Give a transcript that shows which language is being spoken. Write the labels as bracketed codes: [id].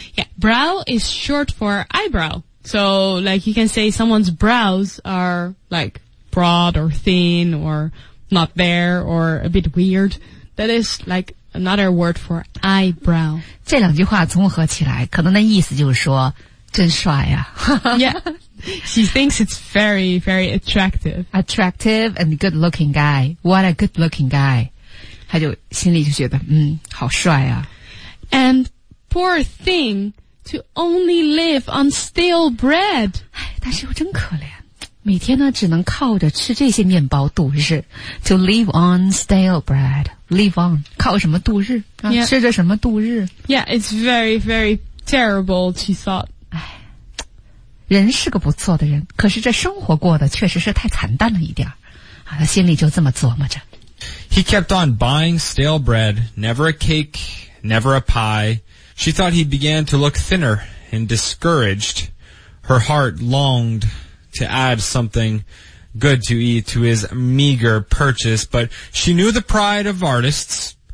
[en] Yeah, brow is short for eyebrow. So, like, you can say someone's brows are, like, broad or thin or not there or a bit weird. That is, like, another word for eyebrow. [zh] 这两句话综合起来，可能那意思就是说真帅啊。 [en] Yeah. She thinks it's very, very attractive. Attractive and good looking guy. What a good looking guy. [zh] 他就心里就觉得好帅啊。 [en] And poor thing to only live on stale bread. [zh] 但是又真可怜。每天呢只能靠着吃这些面包度日。 [en] To live on stale bread. Live on. [zh] 靠什么度日、 [en] 啊 yeah. [zh] 吃着什么度日。 [en] Yeah, it's very, very terrible, she thought. [zh] 人是个不错的人，可是这生活过得确实是太惨淡了一点。啊，他心里就这么琢磨着。 [en] He kept on buying stale bread, never a cake, never a pie. She thought he began to look thinner and discouraged. Her heart longed to add something good to eat to his meager purchase, but she knew the pride of artists.